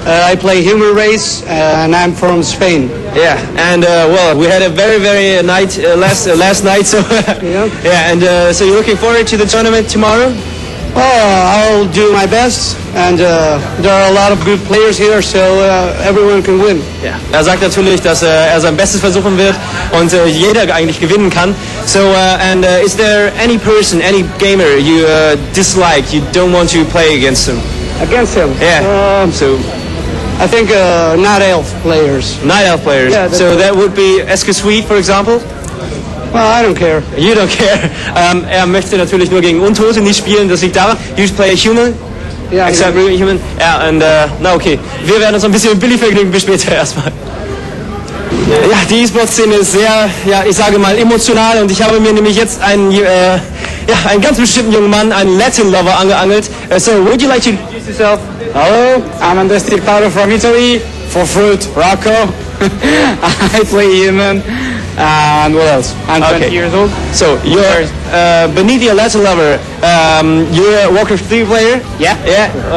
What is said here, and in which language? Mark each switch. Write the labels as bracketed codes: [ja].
[en] I play Human Race and I'm from Spain. Yeah, and well, we had a very, very night last night. So, yeah. Yeah, and so you're looking forward to the tournament tomorrow? Oh, I'll do my best, and there are a lot of good players here, so everyone can win. Yeah. [de] Er sagt natürlich, dass er sein Bestes versuchen wird und jeder eigentlich gewinnen kann. [en] So, and is there any person, any gamer you dislike, you don't want to play against him? Against him? Yeah. So, I think Night Elf players. Night Elf players. Yeah, so that would be Esker Sweet, for example? Well, I don't care. You don't care. [de] Er möchte natürlich nur gegen Untote nicht spielen, das liegt daran. [en] You play a human? Yeah, except yeah. Human. Yeah, and, [de] na okay. Wir werden uns ein bisschen Billy vergnügen, bis später erstmal. Ja, die E-Sport-Szene ist sehr, ja, ich sage mal, emotional und ich habe mir nämlich jetzt einen ganz bestimmten jungen Mann, einen Latin-Lover, angeangelt. [en] So, would you like to introduce yourself? Hello, I'm Andres Tirtaro from Italy, for Fruit, Rocco. I play human. And what else? I'm 20 okay. years old. So, you're Benidia Latin Lover. You're a Warcraft 3 player. Yeah. Yeah.